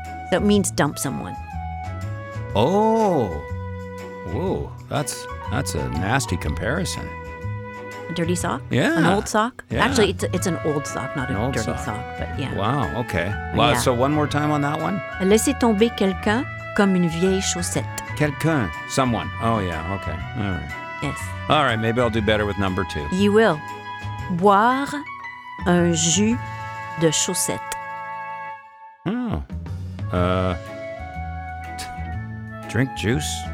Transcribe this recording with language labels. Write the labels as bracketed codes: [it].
[en] That means dump someone. Oh. Whoa, that's a nasty comparison. A dirty sock? Yeah. An old sock? Yeah. Actually, it's an old sock, not an a dirty sock, but yeah. Wow, okay. Well, yeah. So one more time on that one. [fr] Laissez tomber quelqu'un comme une vieille chaussette. [en] Quelqu'un, someone. Oh, yeah, okay. All right. Yes. All right, maybe I'll do better with number 2. You will. [fr] Boire un jus de chaussette. Oh. [en] Drink juice?